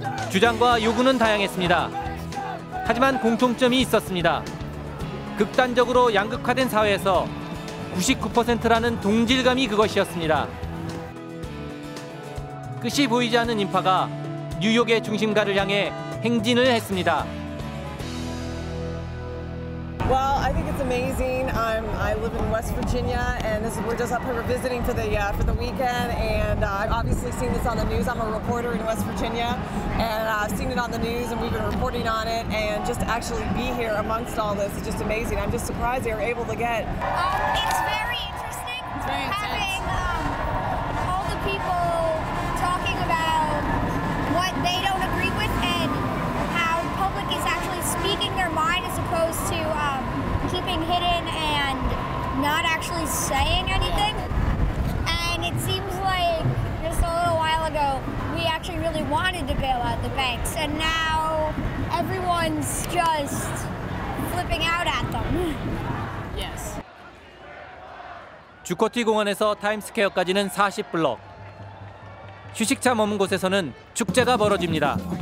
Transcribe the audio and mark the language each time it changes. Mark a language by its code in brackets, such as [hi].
[ko] 주장과 요구는 다양했습니다. 하지만 공통점이 있었습니다. 극단적으로 양극화된 사회에서 99%라는 동질감이 그것이었습니다. 끝이 보이지 않는 인파가 뉴욕의 중심가를 향해 행진을 했습니다. [en] Well, I think it's amazing. I live in West Virginia, and we're just up here visiting for the weekend. And I've obviously seen this on the news. I'm a reporter in West Virginia, and I've seen it on the news, and we've been reporting on it. And just to actually be here amongst all this is just amazing. I'm just surprised they were able to get. It's very interesting. It's very intense. Having all the people talking about what they don't agree with and how the public is actually speaking their mind as opposed to. Keeping hidden and not actually saying anything. And it seems like just a little while ago, we actually really wanted to bail out the banks. And now everyone's just flipping out at them. Yes. [ko] 주커티 공원에서 타임스퀘어까지는 40블럭. 휴식차 머문 곳에서는 축제가 벌어집니다.